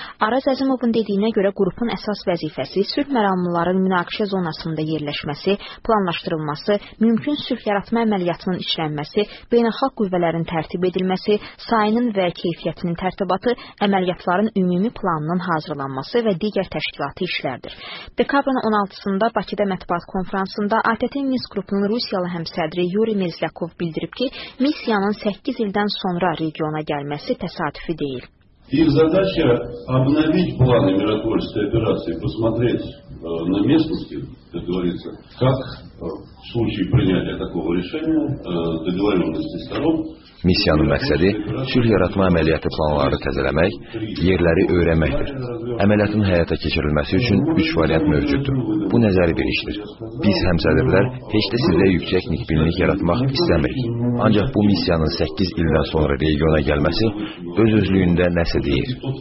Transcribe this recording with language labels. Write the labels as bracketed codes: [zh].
[az] Araz Əzimovun dediyinə görə qrupun əsas vəzifəsi sülh məramlıların münaqişə zonasında yerləşməsi, planlaşdırılması, mümkün sülh yaratma əməliyyatının işlənməsi, beynəlxalq qüvvələrin tərtib edilməsi, sayının və keyfiyyətinin tərtibatı, əməliyyatların ümumi planının hazırlanması və digər təşkilatı işlərdir. Dekabrın 16-sında Bakıda mətbuat konfransında ATƏT-in Minsk qrupunun Rusiyalı həmsədri Yuri Mezlyakov bildirib ki, missiyanın 8 ildən sonra regiona gəlməsi təsadüfi deyil. [ru] İlk zadaşı обновить планы миротворческой операции, посмотреть на местности, как говорится, как в случае принятия такого решения договоренности сторон. [az] Missiyanın məqsədi sülh yaratma əməliyyatı planları təzələmək, yerləri öyrənməkdir. Əməliyyatın həyata keçirilməsi üçün 3 variant mövcuddur. Bu nəzəri bir işdir. Biz həmsədirlər heç də sizdə yüksək nikbinlik yaratmaq istəmirik. Ancaq bu missiyanın 8 ildən sonra regiona gəlməsi öz-özlüyündə nəsə deyir.